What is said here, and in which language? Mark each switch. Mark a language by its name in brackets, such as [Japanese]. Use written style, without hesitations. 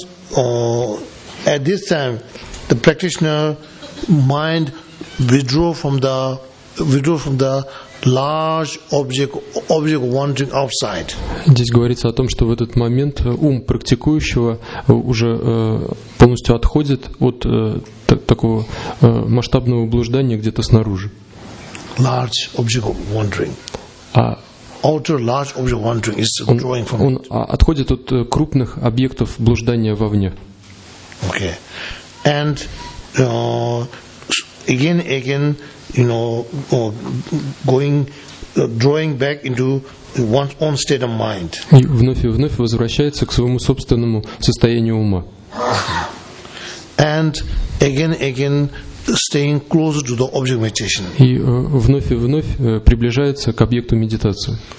[English] Once at this time, the practitioner mind withdraw from the large object wandering outside. [Russian] Здесь говорится о том, что в этот момент ум практикующего уже полностью отходит от такого масштабного блуждания где-то снаружи. [English] Large object wandering. Outer large object wandering is drawing from. [Russian] Он отходит от крупных объектов блуждания вовне. [English] Okay, and again, you know, going, drawing back into one's own state of mind. [Russian] И вновь и вновь возвращается к своему собственному состоянию ума. [English] And again. Staying closer to the object meditation. [Russian] И вновь и вновь приближается к объекту медитации.